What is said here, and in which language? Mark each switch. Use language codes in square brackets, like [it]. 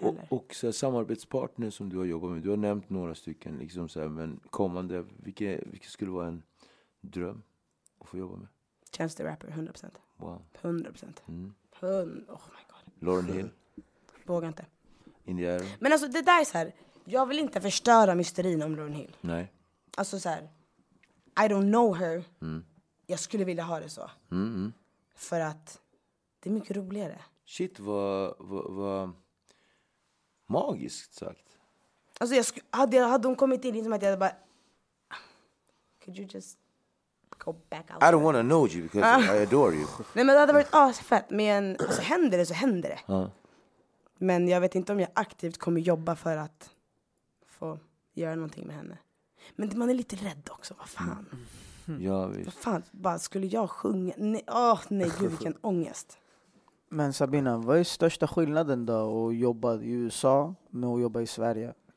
[sv] Och så här, samarbetspartner som du har jobbat med, du har nämnt några stycken liksom så här, men kommande, vilket skulle vara en dröm att få jobba med? Chance the Rapper, 100%. [en] Wow. 100%. Oh my god. Lauryn Hill? [sv] Vågar inte. Indiana? Men alltså det där är så här, jag vill inte förstöra mysterin om Lauryn Hill. Nej. Alltså så här, [en] I don't know her. [sv] Jag skulle vilja ha det så. För att det är mycket roligare. Shit, vad magiskt sagt. Alltså hade de kommit in liksom att jag bara... [en] Could you just go back out? I don't want to know you because I adore you. [sv] Nej, men det hade varit asfett. Men alltså, händer det så händer det. Men jag vet inte om jag aktivt kommer jobba för att få göra någonting med henne. Men man är lite rädd också, vad fan. Ja, visst. Vad fan, bara, skulle jag sjunga? Nej, gud, vilken ångest. Men Sabina, vad är största skillnaden då att jobba i USA med att jobba i Sverige?